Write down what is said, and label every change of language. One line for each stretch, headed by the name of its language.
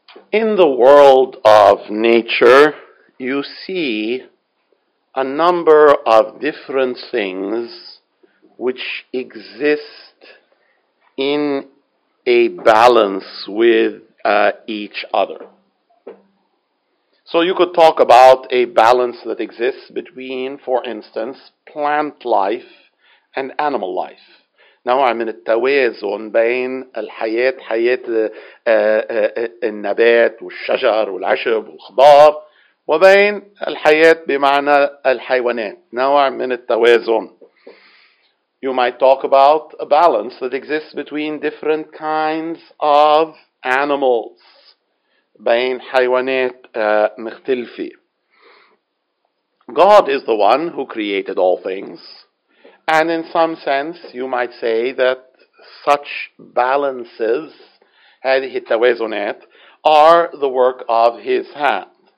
English: In the world of nature, you see a number of different things which exist in a balance with each other. So you could talk about a balance that exists between, for instance, plant life and animal life.
Arabic: نوع من التوازن بين الحياة حياة النبات والشجر والعشب والخضار وبين الحياة بمعنى الحيوانات. نوع من التوازن.
English: You might talk about a balance that exists between different kinds of animals.
Arabic: بين حيوانات مختلفة.
English: God is the one who created all things. And in some sense, you might say that such balances,
Arabic: هذه التوازنات,
English: are the work of his hand.